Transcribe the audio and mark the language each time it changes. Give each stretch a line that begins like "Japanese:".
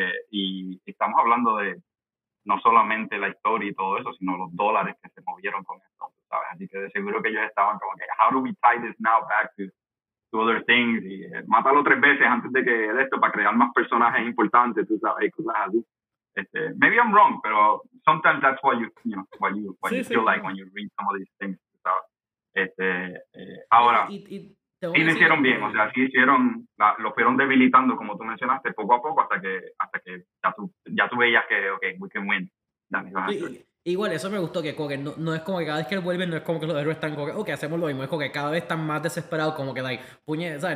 Spanish: Y estamos hablando de no solamente la historia y todo eso, sino los dólares que se movieron con esto, ¿sabes? Así que de seguro que ellos estaban como que,
English: how do we tie this now back to other things?
Spanish: Y mátalo 3 veces antes de que de esto, para crear más personajes importantes, tú sabes, y cosas así.
English: Maybe I'm wrong,
Spanish: pero
English: sometimes that's what you feel like when you read some of these things.
Spanish: Ahora, sí lo hicieron bien, o sea, sí hicieron, lo fueron debilitando, como tú mencionaste, poco a poco, hasta que ya tú veías que, okay,
English: we can win.
Spanish: Igual, eso me gustó, que, como que no es como que cada vez que vuelven, no es como que los héroes están como que, okay, hacemos lo mismo, es como que cada vez están más desesperados, como que, like, puñet, ¿sabes?